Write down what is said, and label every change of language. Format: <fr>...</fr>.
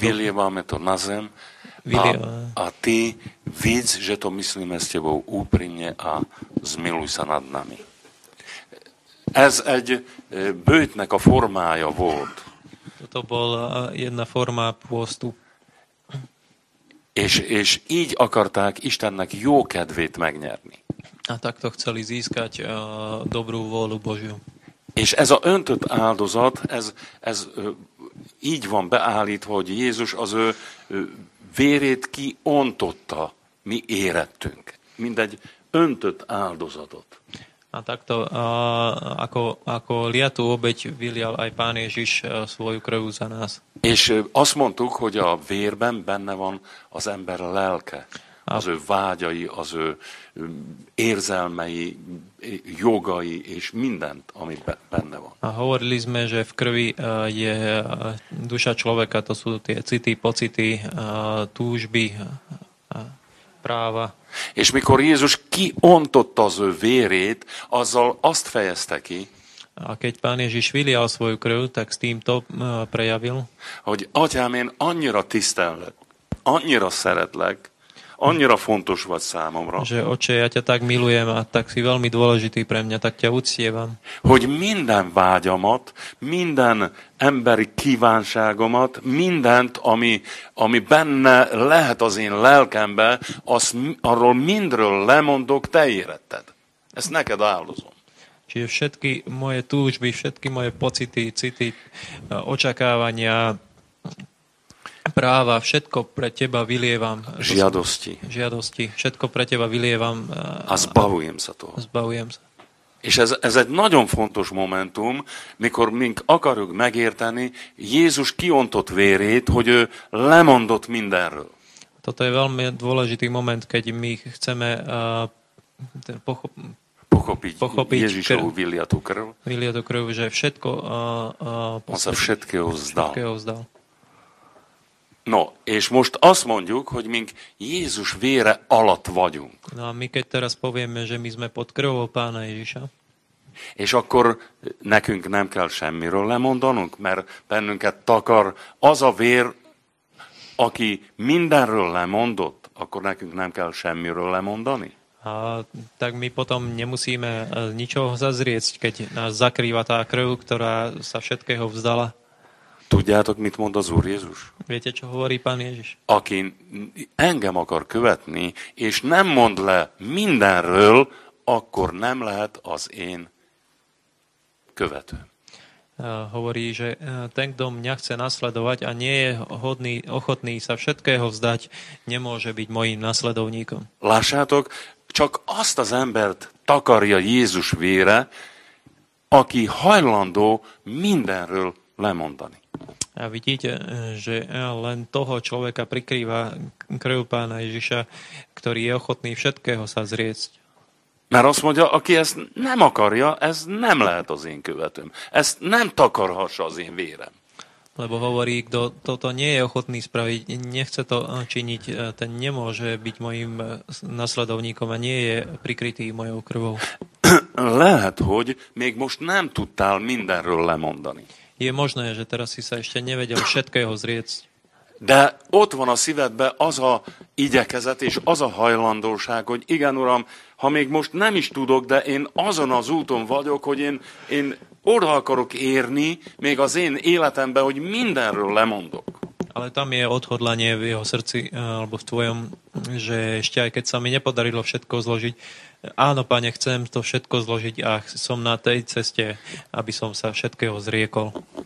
<sk>vod. Vylievame to na zem a ty víc, že to myslíme s tebou úprimne a zmiluj sa nad nami.</sk> <hu>Ez egy bőtnek a formája volt.</hu> <sk>Toto bol jedna forma pôstu.</sk> <hu>És így akarták Istennek jó kedvét megnyerni.</hu> <sk>A takto chceli získať dobrú vôľu Božiu.</sk> <hu>És ez a öntött áldozat, ez így van beállítva, hogy Jézus az ő vérét kiontotta, mi érettünk. Mindegy öntött áldozatot.</hu> <sk>A takto, ako liatú obeť vylial aj Pán Ježiš svoju krvú za nás.</sk> <hu>És azt mondtuk, hogy a vérben benne van az ember lelke, az ő vágyai, az ő érzelmei, jogai és mindent, ami benne van.</hu> <sk>A hovorili sme, že v krvi je duša človeka, to sú tie city, pocity, túžby, práva.</sk> <hu>És mikor Jézus kiontotta az ő vérét, azzal azt fejezte ki,</hu> <sk>a keď Pán Ježiš vylial svoju krv, tak s týmto prejavil,</sk> <hu>hogy Atyám, én annyira tisztellek, annyira szeretlek, annyira fontos vagy számomra,</hu> <sk>že Otče, ja ťa tak milujem a tak si veľmi dôležitý pre mňa, tak ťa uctievam,</sk> <hu>hogy minden vágyamat, minden emberi kívánságomat, mindent, ami benne lehet az én lelkembe, azt arról mindről lemondok, te éretted. Ezt neked áldozom.</hu> <sk>Čiže všetky moje túžby, všetky moje pocity, city, očakávania, práva, všetko pre teba vylievam. Žiadosti. Žiadosti. Všetko pre teba vylievam. A zbavujem sa toho. Zbavujem sa.</sk> <hu>És ez egy nagyon fontos momentum, mikor mink akarjuk megérteni Jézus kiontott vérét, hogy ő lemondott mindenről.</hu> <sk>Toto je veľmi dôležitý moment, keď my chceme pochopiť Ježišovu vyliatú krv. Vyliatú krv, že všetko on sa všetkého vzdal. Všetkého vzdal.</sk> <hu>No, és most azt mondjuk, hogy mink Jézus vére alatt vagyunk.</hu> <sk>No, a mi keď teraz povieme, že my sme pod krvou Pána Ježiša.</sk> <hu>És akkor nekünk nem kell semmiről lemondanunk, mert bennünket takar az a vér, aki mindenről lemondott, akkor nekünk nem kell semmiről lemondani.</hu> <sk>A tak my potom nemusíme ničoho zazrieť, keď nás zakrýva tá krv, ktorá sa všetkého vzdala.</sk> <hu>Tudjátok, mit mond az Úr Jézus?</hu> <sk>Viete, čo hovorí Pán Ježiš?</sk> <hu>Aki engem akar követni, és nem mond le mindenről, akkor nem lehet az én követő.</hu> <sk>Hovorí, že ten, kto mňa chce nasledovať a nie je hodný, ochotný sa všetkého vzdať, nemôže byť mojím nasledovníkom.</sk> <hu>Lássátok, csak azt az embert takarja Jézus vére, aki hajlandó mindenről lemondani.</hu> <sk>A vidíte, že len toho človeka prikrýva krv Pána Ježiša, ktorý je ochotný všetkého sa zriecť.</sk> <hu>Mert azt mondja, aki ezt nem akarja, ez nem lehet az én követőm. Ezt nem takarhassa az én vérem.</hu> <sk>Lebo hovorí, kto toto nie je ochotný spraviť, nechce to činiť, ten nemôže byť mojim nasledovníkom a nie je prikrytý mojou krvou.</sk> <hu>Lehet, hogy még most nem tudtál mindenről lemondani.</hu> <sk>Je možné, že teraz si sa ešte nevedel všetkého zriecť.</sk> <hu>De ott van a szívedben az a igyekezet és az a hajlandóság, hogy igen, Uram, ha még most nem is tudok, de én azon az úton vagyok, hogy én oda akarok érni, még az én életemben, hogy mindenről lemondok.</hu> <sk>Ale tam je odhodlanie v jeho srdci, alebo v tvojom, že ešte aj keď sa mi nepodarilo všetko zložiť, áno, Pane, chcem to všetko zložiť a som na tej ceste, aby som sa všetkého zriekol.</sk>